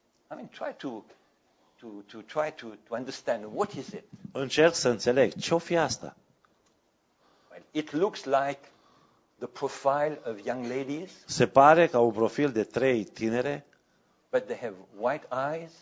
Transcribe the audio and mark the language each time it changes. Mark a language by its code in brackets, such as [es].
[en] I mean, try to understand what is it. [ro] Încerc să înțeleg ce-o fi asta. [en] Well, it looks like the profile of young ladies. [ro] Se pare ca un profil de trei tinere. [en] But they have white eyes.